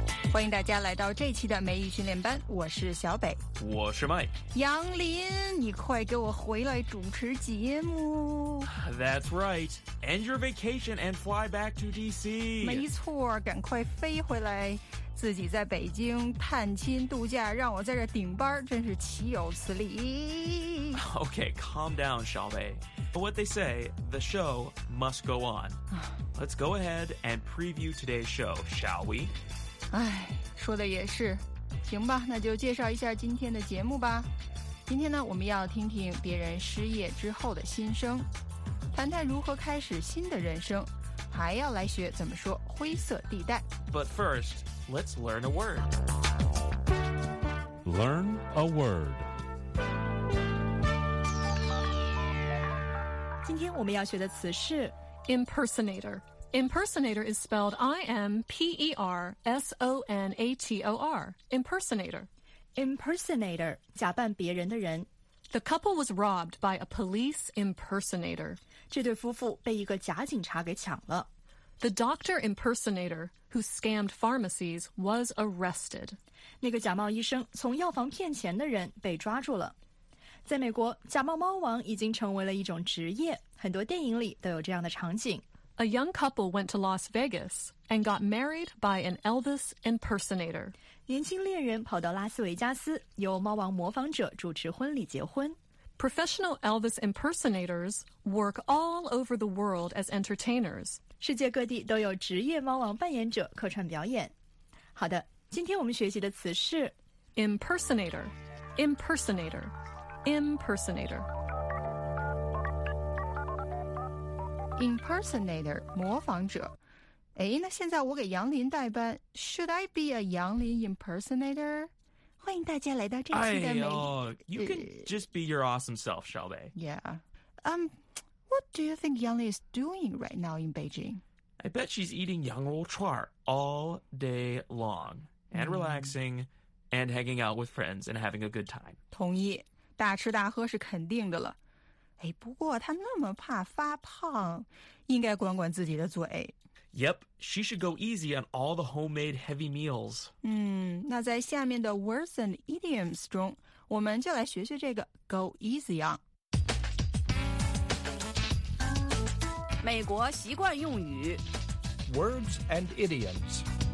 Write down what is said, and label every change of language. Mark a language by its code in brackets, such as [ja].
[zh] 欢迎大家来到这期的美语训练班，我是小北，我是 Mike。杨林，你快给我回来主持节目。 [en] That's right, end your vacation and fly back to DC. [zh] 没错，赶快飞回来，自己在北京探亲度假，让我在这顶班，真是岂有此理。 [en] Okay, calm down, 小北。 But what they say, the show must go on. Let's go ahead and preview today's show, shall we? [zh] 哎，说的也是，行吧，那就介绍一下今天的节目吧。今天呢，我们要听听别人失业之后的心声，谈谈如何开始新的人生，还要来学怎么说灰色地带。 [en] But first, let's learn a word. Learn a word. [zh] 今天我们要学的词是 [en] impersonator. Impersonator is spelled I-M-P-E-R-S-O-N-A-T-O-R. Impersonator. [zh] Impersonator, 假扮别人的人。 [en] The couple was robbed by a police impersonator. [zh] 这对夫妇被一个假警察给抢了。 [en] The doctor impersonator, who scammed pharmacies, was arrested. [zh] 那个假冒医生从药房骗钱的人被抓住了。在美国，假冒猫王已经成为了一种职业，很多电影里都有这样的场景。 [en] A young couple went to Las Vegas and got married by an Elvis impersonator. [zh] 年轻恋人跑到拉斯维加斯，由猫王模仿者主持婚礼结婚。 [en] Professional Elvis impersonators work all over the world as entertainers. [zh] 世界各地都有职业猫王扮演者客串表演。好的，今天我们学习的词是 [en] impersonator, impersonator, impersonator. [zh] Impersonator, 模仿者。哎，那现在我给杨林代班。 [en] Should I be a 杨林 impersonator? [zh] 欢迎大家来到这期的美。 [en] You can just be your awesome self, shall we? Yeah. What do you think Yang Lin is doing right now in Beijing? I bet she's eating yang rou chuan all day long, and relaxing, and hanging out with friends, and having a good time. [zh] 同意，大吃大喝是肯定的了。哎，不过她那么怕发胖，应该管管自己的嘴。 [en] Yep, she should go easy on all the homemade heavy meals. [zh] 那在下面的 [en] words and idioms [zh] 中，我们就来学学这个 go easy on。美国习惯用语 [en] words and idioms。